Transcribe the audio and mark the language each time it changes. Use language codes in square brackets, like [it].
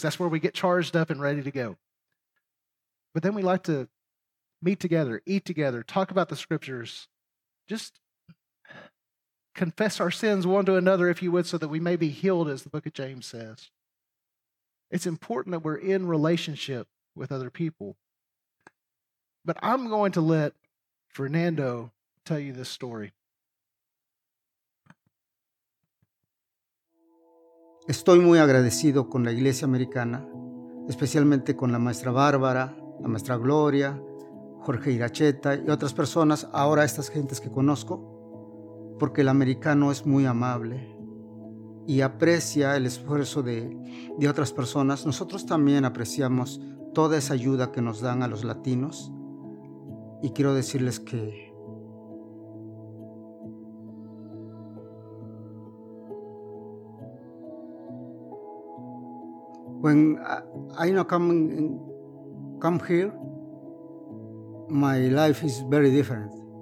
[en] That's where we get charged up and ready to go. But then we like to meet together, eat together, talk about the scriptures, just confess our sins one to another, if you would, so that we may be healed, as the book of James says. It's important that we're in relationship with other people. But I'm going to let Fernando tell you this story. [es] Estoy muy agradecido con la Iglesia Americana, especialmente con la maestra Bárbara, la maestra Gloria, Jorge Iracheta y otras personas, ahora estas gentes que conozco, porque el americano es muy amable y aprecia el esfuerzo de otras personas. Nosotros también apreciamos toda esa ayuda que nos dan a los latinos. Y quiero decirles que [en] when I know come here, my life is very different.